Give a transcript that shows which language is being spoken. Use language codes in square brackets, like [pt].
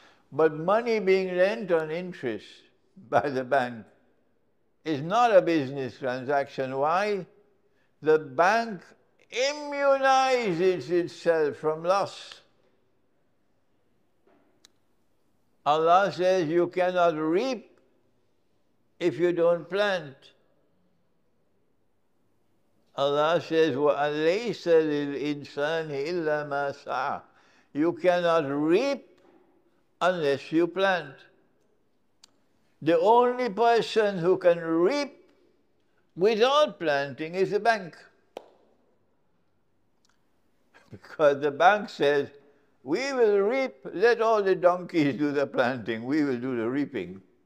[en] But money being lent on interest by the bank is not a business transaction. Why? The bank immunizes itself from loss. Allah says you cannot reap if you don't plant. Allah says, [ar] وَأَلَيْسَ لِلْإِنسَانِ إِلَّا مَا سَعَى. [en] You cannot reap unless you plant. The only person who can reap without planting is the bank. Because the bank says, we will reap, let all the donkeys do the planting, we will do the reaping.